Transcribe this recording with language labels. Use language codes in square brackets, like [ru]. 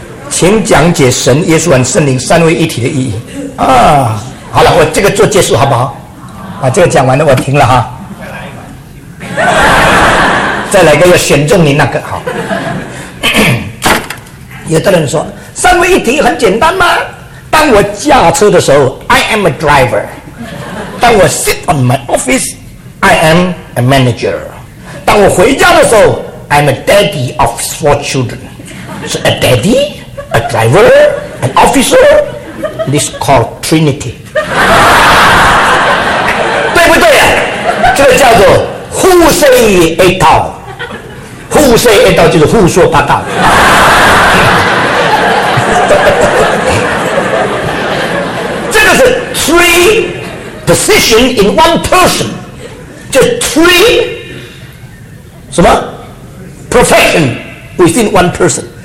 [zh] 请讲解神、耶稣和圣灵三位一体的意义啊。好了，我这个做结束好不好？把、啊、这个讲完了我停了哈。再来一个要选中你那个好。有的人说三位一体很简单吗？当我驾车的时候 [en] I am a driver， 当我 sit on my office I am a manager， [zh] 当我回家的时候 [en] I am a daddy of four children。 So a daddy, a driver, an officer, this called trinity。 [zh] 对不对啊？这个叫做胡说一套，胡说一套就是胡说八道。这个是 [en] three position in one person， 就 three 什么 profession within one person。